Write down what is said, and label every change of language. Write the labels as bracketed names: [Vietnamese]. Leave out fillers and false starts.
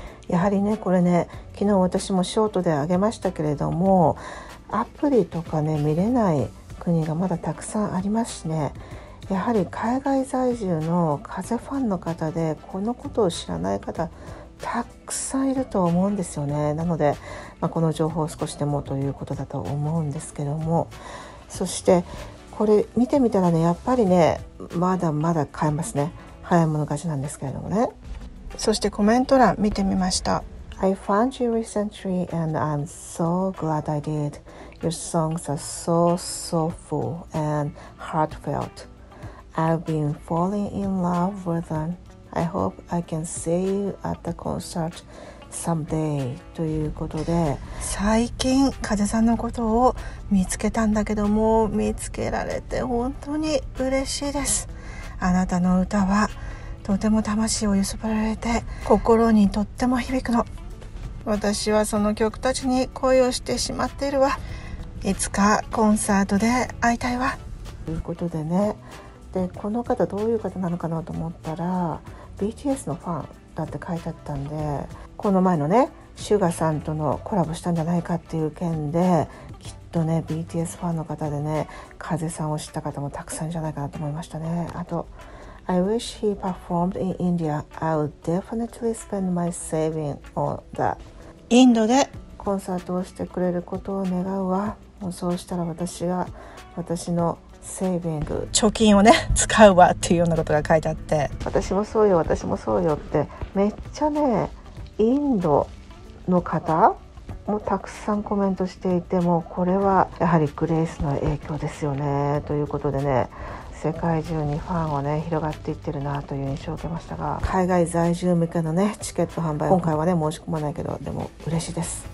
[Japanese] やはりね、これね、昨日私もショートであげましたけれども、アプリとかね見れない国がまだたくさんありますしね、やはり海外在住の風ファンの方でこのことを知らない方たくさんいると思うんですよね。なので、この情報を少しでもということだと思うんですけども、そしてこれ見てみたらね、やっぱりねまだまだ買えますね。早い者勝ちなんですけれどもね。そしてコメント欄見てみました。 [English] I found you recently and I'm so glad I did. Your songs are so soulful and heartfelt. I've been falling in love with them. I hope I can see you at the concert someday [Japanese] ということで、最近風さんのことを見つけたんだけども、見つけられて本当に嬉しいです。あなたの歌はとても魂を揺さぶられて心にとっても響くの。私はその曲たちに恋をしてしまっているわ。いつかコンサートで会いたいわということでね。でこの方どういう方なのかなと思ったら BTS のファンだって書いてあったんで、この前のねシュガさんとのコラボしたんじゃないかっていう件で、きっとね BTS ファンの方でね風さんを知った方もたくさんじゃないかなと思いましたね。あと [English] I wish he performed in India. I would definitely spend my saving on that. [Japanese] インドでコンサートをしてくれることを願うわ。もうそうしたら私が私のセービング貯金をね使うわっていうようなことが書いてあって、私もそうよ私もそうよって、めっちゃねインドの方もたくさんコメントしていて、もうこれはやはりグレイスの影響ですよねということでね、世界中にファンをね広がっていってるなという印象を受けましたが、海外在住向けのねチケット販売今回はね申し込まないけど、でも嬉しいです。